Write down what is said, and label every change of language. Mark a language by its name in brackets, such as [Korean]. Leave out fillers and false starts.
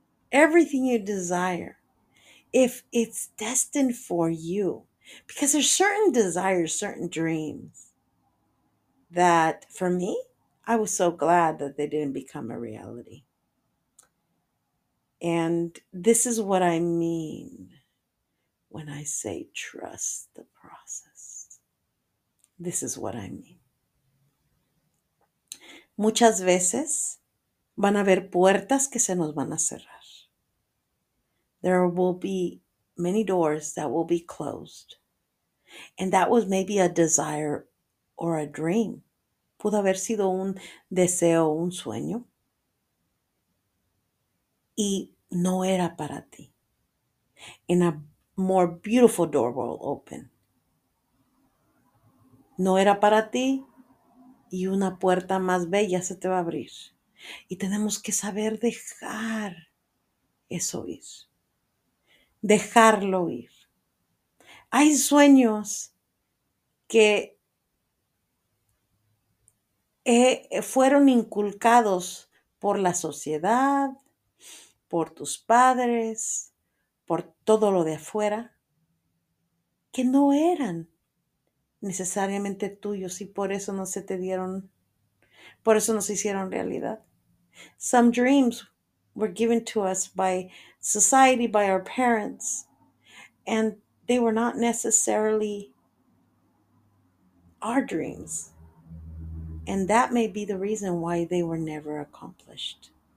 [English] Everything you desire, if it's destined for you, because there's certain desires, certain dreams that for me, I was so glad that they didn't become a reality. And this is what I mean when I say trust the process. This is what I mean. [Spanish] Muchas veces van a haber puertas que se nos van a cerrar. [English] There will be many doors that will be closed. And that was maybe a desire or a dream. [Spanish] Pudo haber sido un deseo, un sueño. Y no era para ti. [English] And a more beautiful door will open. [Spanish] No era para ti. Y una puerta más bella se te va a abrir. Y tenemos que saber dejar eso ir. Dejarlo ir. Hay sueños que fueron inculcados por la sociedad, por tus padres, por todo lo de afuera, que no eran necesariamente tuyos y por eso no se te dieron, por eso no se hicieron realidad. [English] Some dreams were given to us by society, by our parents, and they were not necessarily our dreams. And that may be the reason why they were never accomplished.